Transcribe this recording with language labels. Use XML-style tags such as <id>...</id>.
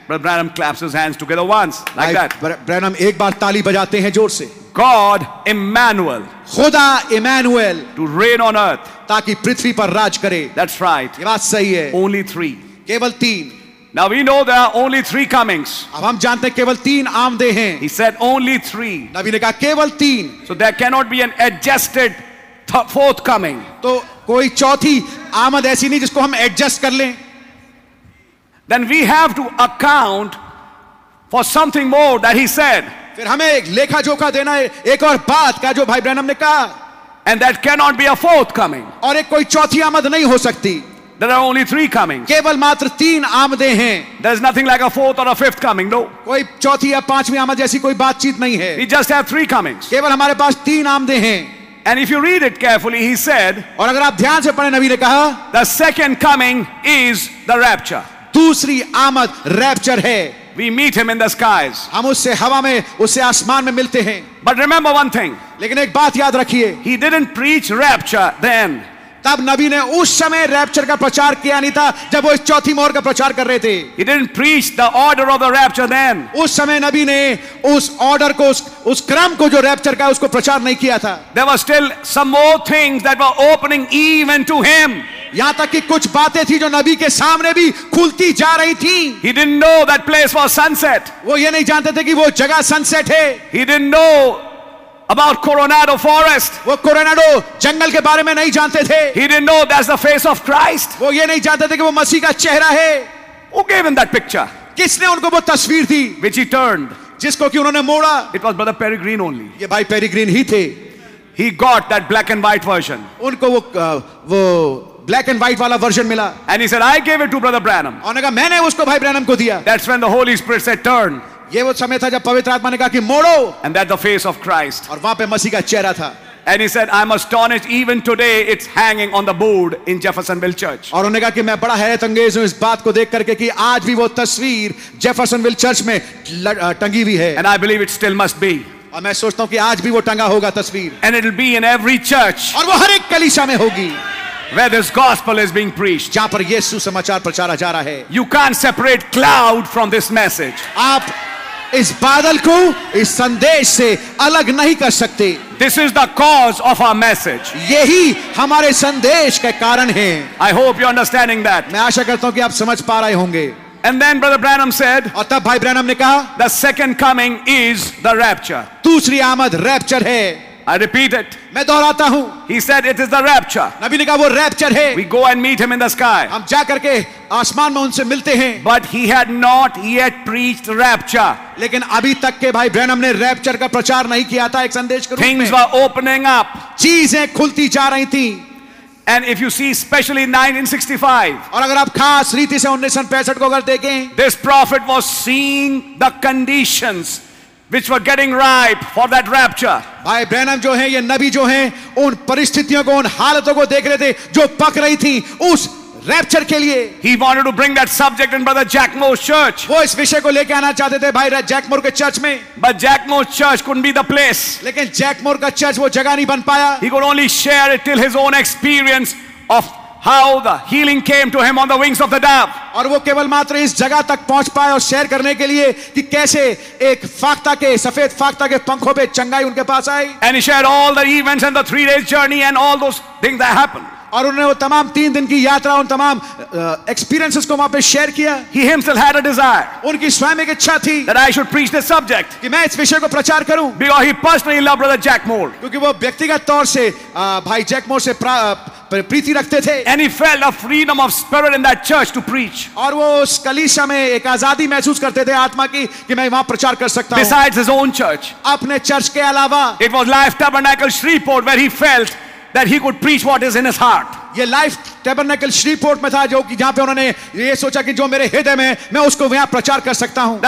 <en>Brother Branham claps his hands together once, like that.</en> <hi>Branham एक बार ताली बजाते हैं जोर से.</hi> <en>God Emmanuel.</en> <hi>खुदा Emmanuel.</hi> <en>To reign on earth.</en> <hi>ताकि पृथ्वी पर राज करे.</hi> <en>That's right.</en> <hi>ये बात सही है.</hi> <en>Only three.</en> <hi>केवल तीन.</hi> <en>Now we know there are only three comings.</en> <hi>अब हम जानते हैं केवल तीन आमदे हैं.</hi> <en>He said only three.</en> <hi>नबी ने कहा केवल तीन.</hi> <en>So there cannot be an adjusted fourth coming.</en> <hi>तो कोई चौथी आमद ऐसी नहीं जिसको हम एडजस्ट कर लें.</hi> <en>Then we have to account for something more that he said.</en> <hi>फिर हमें एक लेखा जोखा देना है एक और बात का जो भाई ब्रैनम ने कहा.</hi> <en>And that can not be a fourth coming.</en> <hi>और एक कोई चौथी आमद नहीं हो सकती.</hi> <en>There are only three coming.</en> <hi>केवल मात्र तीन आमदें हैं.</hi> <en>There is nothing like a fourth or a fifth coming. No.</en> <hi>कोई चौथी या पांचवी आमद जैसी कोई बातचीत नहीं है.</hi> <en>We just have three comings.</en> <hi>केवल हमारे पास तीन आमदें हैं.</hi> <en>And if you read it carefully, he said,</en> <hi>और अगर आप ध्यान से पढ़ें नबी ने कहा,</hi> <en>the second coming is the rapture.</en> <hi>दूसरी आमद रैप्चर है.</hi> <en>We meet him in the skies.</en> <hi>हम उससे हवा में, उससे आसमान में मिलते हैं.</hi> <en>But remember one thing.</en> <hi>लेकिन एक बात याद रखिए.</hi> <en>He didn't preach rapture then.</en> <hi>तब नबी ने उस समय रैप्चर का प्रचार किया नहीं था जब वो इस चौथी मोहर का प्रचार कर रहे थे.</hi> <en>He didn't preach the order of the rapture then.</en> <hi>उस समय नबी ने उस ऑर्डर को उस क्रम को जो रैप्चर का है उसको प्रचार नहीं किया था.</hi> <en>There were still some more things that were opening even to him.</en> <hi>यहां तक कि कुछ बातें थी जो नबी के सामने भी खुलती जा रही थी.</hi> <en>He didn't know that place was sunset.</en> <hi>वो ये नहीं जानते थे कि वो जगह सनसेट है.</hi> <en>He didn't know about Coronado forest.</en> <hi>वो कोरोनाडो जंगल के बारे में नहीं जानते थे.</hi> <en>He didn't know that's the face of Christ.</en> <hi>वो ये नहीं जानते थे कि वो मसीह का चेहरा है.</hi> <en>Who gave him that picture?</en> <hi>किसने उनको वो तस्वीर दी?</hi> <en>Which he turned.</en> <hi>जिसको कि उन्होंने मोड़ा.</hi> <en>It was Brother Peregrine only.</en> <hi>ये भाई पेरीग्रीन ही थे.</hi> <en>He got that black and white version.</en> <hi>उनको वो ब्लैक एंड व्हाइट वाला वर्जन मिला.</hi> <en>And he said, I gave it to Brother Branham.</en> <hi>और ने कहा मैंने उसको भाई ब्रैनम को दिया.</hi> <en>That's when the Holy Spirit said, turn.</en> <hi>ये वो समय था जब पवित्र आत्मा ने कहा कि मोड़ो.</hi> <en>And that the face of Christ.</en> <hi>और वहाँ पे मसीह का चेहरा था.</hi> <en>And he said, I'm astonished even today it's hanging on the board in Jeffersonville Church.</en> <hi>और उन्होंने कहा कि मैं बड़ा हैरतअंगेज हूँ इस बात को देख करके कि आज भी वो तस्वीर Jeffersonville Church में टंगी हुई है.</hi> <en>And I believe it still must be.</en> <hi>और मैं सोचता हूँ कि आज भी वो टंगा होगा तस्वीर.</hi> <en>And it'll be in every church.</en> <hi>और वो हर एक कलीसिया में होगी.</hi> <en>Where this gospel is being preached.</en> <hi>जहाँ पर यीशु समाचार प्रचारा जा रहा है.</hi> <en>You can't separate cloud from this message.</en> <hi>आप इस बादल को इस संदेश से अलग नहीं कर सकते.</hi> <en>This is the cause of our message.</en> <hi>यही हमारे संदेश के कारण है.</hi> <en>I hope you're understanding that.</en> <hi>मैं आशा करता हूँ कि आप समझ पा रहे होंगे.</hi> <en>And then Brother Branham said.</en> <hi>और तब भाई ब्रैनम ने कहा.</hi> <en>The second coming is the rapture.</en> <hi>दूसरी आमद रैप्चर है.</hi> <en>I repeat it.</en> <hi>मैं दोहराता हूँ.</hi> <en>He said it is the rapture.</en> <hi>नबी ने कहा वो रैप्चर है.</hi> <en>We go and meet him in the sky.</en> <hi>हम जा करके आसमान में उनसे मिलते हैं.</hi> <en>But he had not yet preached rapture.</en> <hi>लेकिन अभी तक के भाई ब्रैनम ने रैप्चर का प्रचार नहीं किया था एक संदेश के रूप में.</hi> <en>Things were opening up.</en> <hi>चीजें खुलती जा रही थी.</hi> <en>And if you see specially 1965,</en> <hi>और अगर आप खास रीति से 1965 को अगर देखें,</hi> <en>this prophet was seeing the conditions which were getting ripe for that rapture.</en> <hi>भाई ब्रैनम जो हैं ये नबी जो हैं उन परिस्थितियों को उन हालतों को देख रहे थे जो पक रही थी उस रैप्चर के लिए.</hi> <en>He wanted to bring that subject in Brother Jack Moore's church.</en> <hi>वो इस विषय को लेके आना चाहते थे भाई जैक मोर के चर्च में.</hi> <en>But Jack Moore's church couldn't be the place.</en> <hi>लेकिन जैक मोर का चर्च वो जगह नहीं बन पाया.</hi> <en>He could only share it till his own experience of how the healing came to him on the wings of the dove.</en> <hi>और वो केवल मात्र इस जगह तक पहुंच पाए और शेयर करने के लिए कि कैसे एक फाख्ता के सफेद फाख्ता के पंखों पे चंगाई उनके पास आई.</hi> <en>And he shared all the events and the 3 days journey and all those things that happened.</en> <hi>और उन्होंने वो तमाम तीन दिन की यात्रा उन तमाम एक्सपीरियंसेस को वहां पे शेयर किया.</hi> <en>He himself had a desire.</en> <hi>उनकी स्वयं एक इच्छा थी.</hi> <en>That I should preach this subject.</en> <hi>कि मैं इस विषय को प्रचार करूं.</hi> <en>Because he personally loved brother Jack Moore.</en> <hi>क्योंकि वो व्यक्तिगत तौर से भाई जैक मोर से प्रीति रखते थे.</hi> <en>And he felt a freedom of spirit in that church to preach.</en> <hi>और वो उस कलीसिया में एक आजादी महसूस करते थे आत्मा की कि मैं वहां प्रचार कर सकता हूं.</hi> <en>Besides his own church.</en> <hi>अपने चर्च के अलावा.</hi> <en>It was Life Tabernacle Shreveport where he felt that he could preach what is in his heart.</en> <hi>ये लाइफ टैबरनेकल श्रीपोर्ट में था जो कि जहां पे उन्होंने ये सोचा कि जो मेरे हृदय में मैं उसको वहां प्रचार कर सकता हूं.</hi>